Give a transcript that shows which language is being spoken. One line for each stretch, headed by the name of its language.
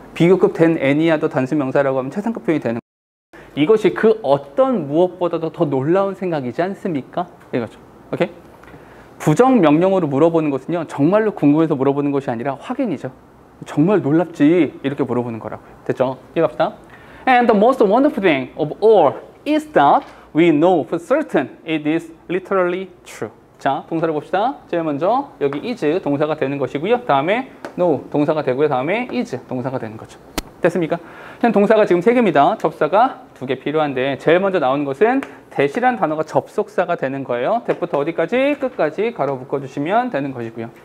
Korean: 비교급 than any other 단수명사라고 하면 최상급 표현이 되는 거예요. 이것이 그 어떤 무엇보다도 더 놀라운 생각이지 않습니까? 이거죠. 오케이? 부정명령으로 물어보는 것은요, 정말로 궁금해서 물어보는 것이 아니라 확인이죠. 정말 놀랍지? 이렇게 물어보는 거라고요. 됐죠? 이해갑시다.
English: And the most wonderful thing of all is that we know for certain it is literally true.
Korean: 자, 동사를 봅시다. 제일 먼저 여기 is 동사가 되는 것이고요. 다음에 no 동사가 되고요. 다음에 is 동사가 되는 거죠. 됐습니까? 현 동사가 지금 세 개입니다. 접사가 두 개 필요한데 제일 먼저 나오는 것은 that이란 단어가 접속사가 되는 거예요. that부터 어디까지? 끝까지 가로 묶어주시면 되는 것이고요.